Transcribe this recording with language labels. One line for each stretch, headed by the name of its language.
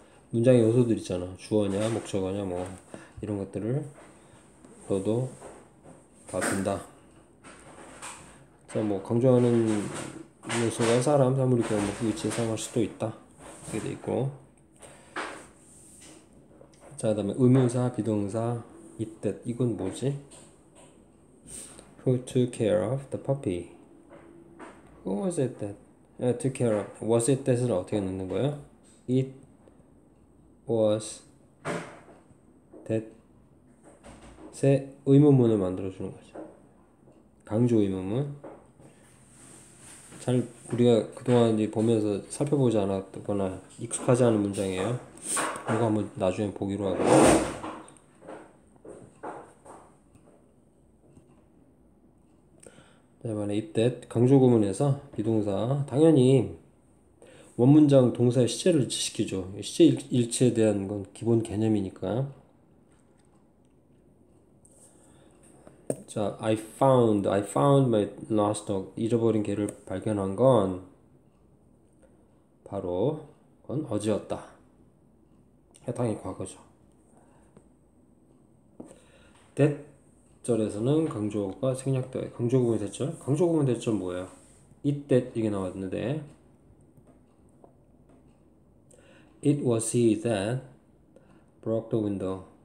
Korean: 문장의 요소들 있잖아. 주어냐, 목적어냐, 뭐 이런 것들을 넣어도 다 된다. 자, 뭐 강조하는 요소가 사람, 사물이 그 위치에 사용할 수도 있다 이렇게 돼 있고, 자, 그다음에 의문사, 비동사, it, that 이건 뭐지?
English: Who took care of the puppy? Who was it that took care of? Was it that
Korean: 을 어떻게 넣는 거야?
English: It was that
Korean: 새 의문문을 만들어 주는 거죠. 강조 의문문. 잘 우리가 그동안 보면서 살펴보지 않았거나 익숙하지 않은 문장이에요. 이거 한번 나중에 보기로 하고. 이번에 it that 강조 구문에서 비동사, 당연히 원문장 동사의 시제를 일치시키죠. 시제 일치에 대한 건 기본 개념이니까.
English: 자, I found my lost dog.
Korean: 잃어버린 개를 발견한 건 바로 건 어제였다. 해당이 과거죠. that 절에서는 강조어가 생략돼. 강조구문 대절? 강조구문 대절 뭐예요?
English: It that
Korean: 이게 나왔는데,
English: It was he that broke the window.